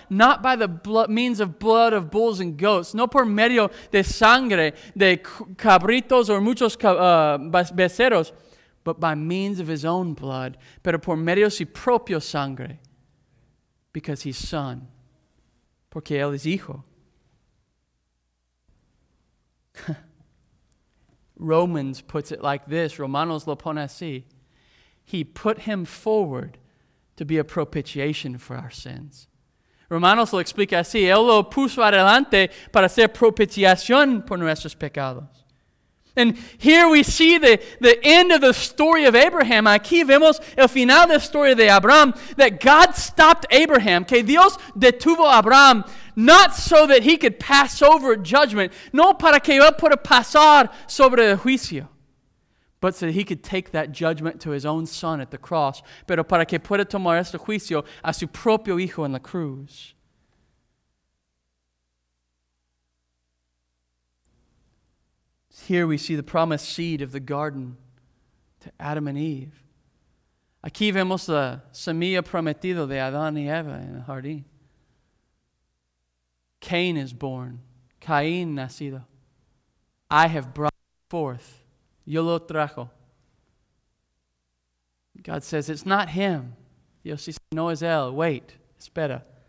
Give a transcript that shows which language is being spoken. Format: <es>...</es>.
<en>Not by the means of blood of bulls and goats.</en> <es>No por medio de sangre de cabritos or muchos becerros.</es> <en>But by means of his own blood.</en> <es>Pero por medio su propio sangre.</es> <en>Because he's son.</en> <es>Porque él es hijo.</es> <en>Romans puts it like this.</en> <es>Romanos lo pone así.</es> <en>He put him forward to be a propitiation for our sins.</en> <es>Romanos lo explica así. Él lo puso adelante para ser propiciación por nuestros pecados.</es> <en>And here we see the end of the story of Abraham.</en> <es>Aquí vemos el final de la historia de Abraham.</es> <en>That God stopped Abraham.</en> <es>Que Dios detuvo a Abraham.</es> <en>Not so that he could pass over judgment.</en> <es>No para que él pueda pasar sobre el juicio.</es> <en>But so that he could take that judgment to his own son at the cross.</en> <es>Pero para que pueda tomar este juicio a su propio hijo en la cruz.</es> <en>Here we see the promised seed of the garden to Adam and Eve.</en> <es>Aquí vemos la semilla prometida de Adán y Eva en el jardín.</es> <en>Cain is born.</en> <es>Cain nacido.</es> <en>I have brought forth.</en> <es>Yo lo trajo.</es> <en>God says, it's not him.</en> <es>Dios dice, no es él.</es> <en>Wait.</en> <es>Espera.</es>